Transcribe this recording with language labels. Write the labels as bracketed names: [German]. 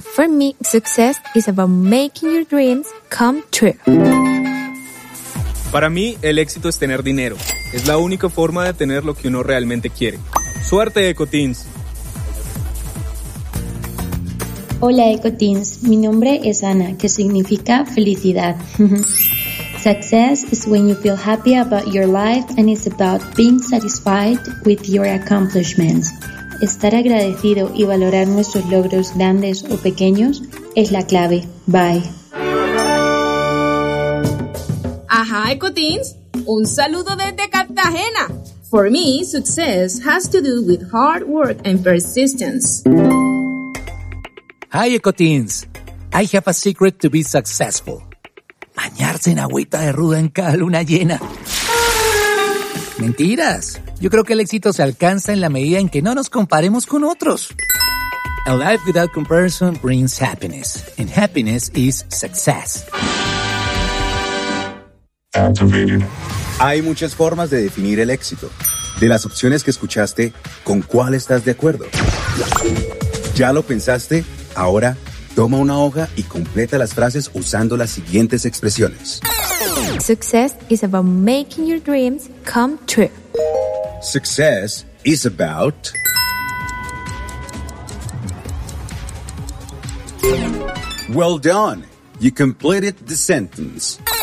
[English] For me, success is about making your dreams come true. [Spanish] Para mí, el éxito es tener dinero. Es la única forma de tener lo que uno realmente quiere. Suerte, EcoTeens. Hola, EcoTeens. Mi nombre es Ana, que significa felicidad. [English] Success is when you feel happy about your life and it's about being satisfied with your accomplishments. [Spanish] Estar agradecido y valorar nuestros logros grandes o pequeños es la clave. [English] Bye. [Spanish] Ajá, EcoTeens. Un saludo desde Cartagena. [English] For me, success has to do with hard work and persistence. Hi, Ecoteens. I have a secret to be successful. [Spanish] Bañarse en agüita de ruda en cada luna llena. Mentiras. Yo creo que el éxito se alcanza en la medida en que no nos comparemos con otros. [English] A life without comparison brings happiness. And happiness is success. [Spanish] Hay muchas formas de definir el éxito. De las opciones que escuchaste, ¿con cuál estás de acuerdo? ¿Ya lo pensaste? Ahora, toma una hoja y completa las frases usando las siguientes expresiones. [English] Success is about making your dreams come true. Success is about... Well done. You completed the sentence.